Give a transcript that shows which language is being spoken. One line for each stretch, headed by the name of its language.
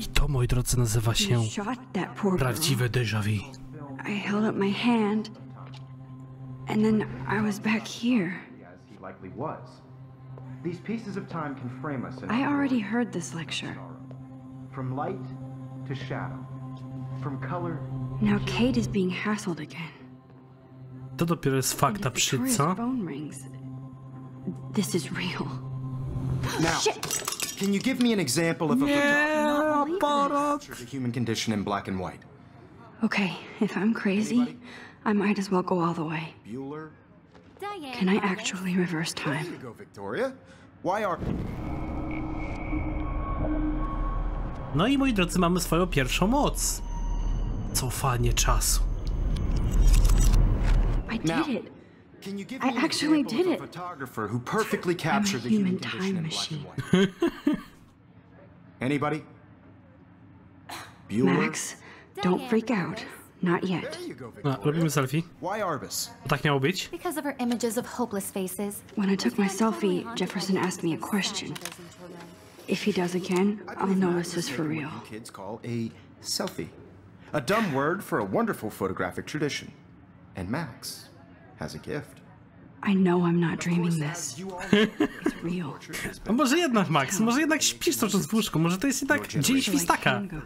Polish: I to, moi drodzy, nazywa się prawdziwe déjà vu.
English: I held up my hand, and then I was back here. As he likely was. These pieces of time can frame us. I already heard this lecture. From light to shadow. From color. Now Kate is being hassled again.
Polish: To dopiero jest fakt, a przy co?
English: This is real. Now, can you give me an example of a picture of human condition in black and white? Okay, if I'm crazy, anybody? I might as well go all the way. Bueller? Diane, can I actually reverse time? There you go, Victoria. Why are...
Polish: No i moi drodzy, mamy swoją pierwszą moc. Cofanie czasu.
English: I did it. Can you give me an example of a photographer who perfectly captured the human condition in black and white? Anybody? Bueller? Max, don't freak out. Not yet.
Polish: No, robimy selfie.
English: Why Arbus?
Polish: Tak miało być?
English: Because of her images of hopeless faces. When I took my selfie, Jefferson asked me a question. If he does again, I'll know this is for real. Kids call a selfie. A dumb word for a wonderful photographic tradition. And Max has a gift. I know I'm not dreaming this. It's real.
Polish: No może jednak, Max, może jednak śpisz to w łóżku, może to jest i tak dzień świstaka.